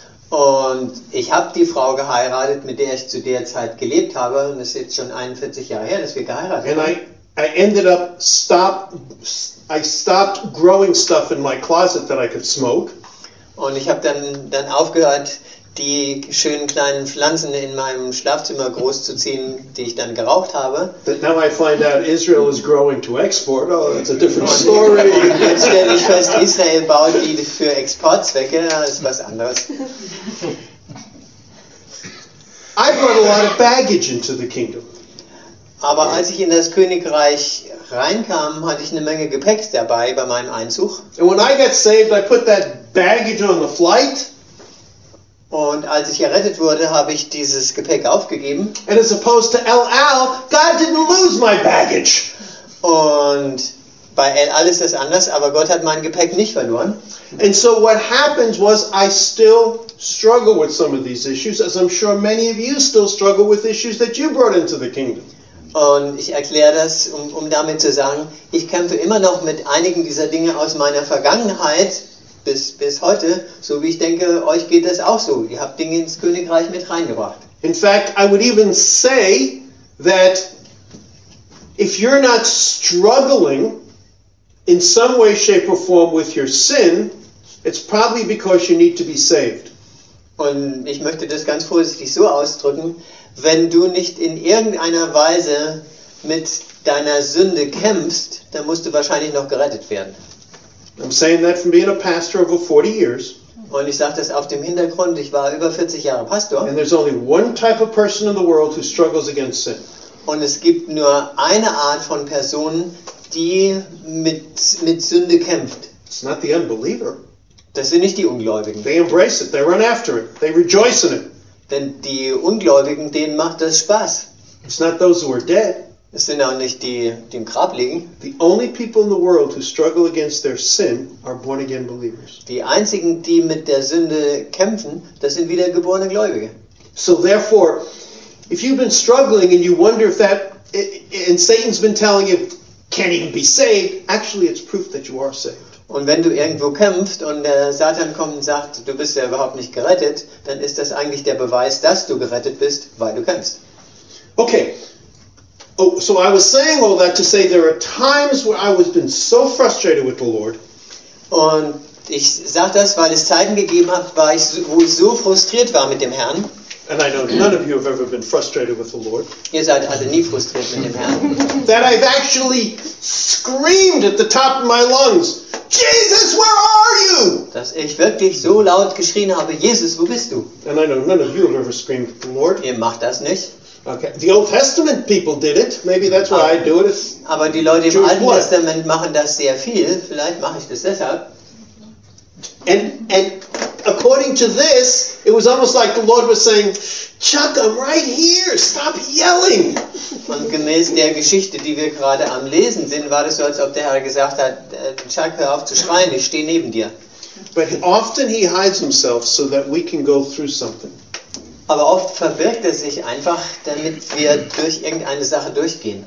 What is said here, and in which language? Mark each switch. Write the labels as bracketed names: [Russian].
[German] und ich habe die Frau geheiratet, mit der ich zu der Zeit gelebt habe, und es ist jetzt schon 41 Jahre her, dass wir geheiratet haben. [English] And I stopped growing stuff in my closet that I could smoke. [German] Und ich habe dann aufgehört, die schönen kleinen Pflanzen in meinem Schlafzimmer großzuziehen, die ich dann geraucht habe. [English] But now I find out Israel is growing to export. Oh, that's a different story. [German] Und jetzt stelle ich fest, Israel baut die für Exportzwecke. Das ist was anderes. [English] I brought a lot of baggage into the kingdom. [German] Aber als ich in das Königreich reinkam, hatte ich eine Menge Gepäck dabei bei meinem Einzug. [English] And when I got saved, I put that baggage on the flight. [German] Und als ich errettet wurde, habe ich dieses Gepäck aufgegeben. [English] And as opposed to El Al, God didn't lose my baggage. [German] Und bei El Al ist das anders, aber Gott hat mein Gepäck nicht verloren. [English] And so what happens was I still struggle with some of these issues, as I'm sure many of you still struggle with issues that you brought into the kingdom. [German] Und ich erkläre das, um damit zu sagen, ich kämpfe immer noch mit einigen dieser Dinge aus meiner Vergangenheit bis heute, so wie ich denke, euch geht das auch so. Ihr habt Dinge ins Königreich mit reingebracht. [English] In fact, I would even say that if you're not struggling in some way, shape or form with your sin, it's probably because you need to be saved. [German] Und ich möchte das ganz vorsichtig so ausdrücken, wenn du nicht in irgendeiner Weise mit deiner Sünde kämpfst, dann musst du wahrscheinlich noch gerettet werden. [English] I'm saying that from being a pastor over 40 years. [German] Und ich sage das auf dem Hintergrund, ich war über 40 Jahre Pastor. [English] And there's only one type of person in the world who struggles against sin. [German] Und es gibt nur eine Art von Person, die mit Sünde kämpft. [English] It's not the unbeliever. [German] Das sind nicht die Ungläubigen. [English] They embrace it, they run after it, they rejoice in it. [German] Denn die Ungläubigen, denen macht das Spaß. [English] It's not those who are dead. [German] Es sind auch nicht die im Grab liegen. [English] The only people in the world who struggle against their sin are born again believers. [German] Die einzigen, die mit der Sünde kämpfen, das sind wiedergeborene Gläubige. [English] So therefore, if you've been struggling and you wonder if that, and Satan's been telling you, can't even be saved. Actually, it's proof that you are saved. [German] Und wenn du irgendwo kämpfst und der Satan kommt und sagt, du bist ja überhaupt nicht gerettet, dann ist das eigentlich der Beweis, dass du gerettet bist, weil du kämpfst. [English] Okay. Oh, so I was saying all that to say there are times where I was been so frustrated with the Lord. [German] Und ich sag das, weil es Zeiten gegeben hat, wo ich so frustriert war mit dem Herrn. [English] And I know none of you have ever been frustrated with the Lord. [German] Ihr seid also nie frustriert mit dem Herrn. [English] That I've actually screamed at the top of my lungs, Jesus, where are you? [German] Dass ich wirklich so laut geschrien habe, Jesus, wo bist du? [English] And I know none of you have ever screamed at the Lord. [German] Ihr macht das nicht. [English] Okay. The Old Testament people did it. Maybe that's why I do it. [German] Aber die Leute im Alten Testament machen das sehr viel. Vielleicht mache ich das deshalb. [English] And according to this, it was almost like the Lord was saying, Chuck, I'm right here. Stop yelling. [German] Und gemäß der Geschichte, die wir gerade am Lesen sind, war das so, als ob der Herr gesagt hat, Chuck, hör auf zu schreien, ich stehe neben dir. [English] But often he hides himself so that we can go through something. [German] Aber oft verbirgt er sich einfach, damit wir durch irgendeine Sache durchgehen.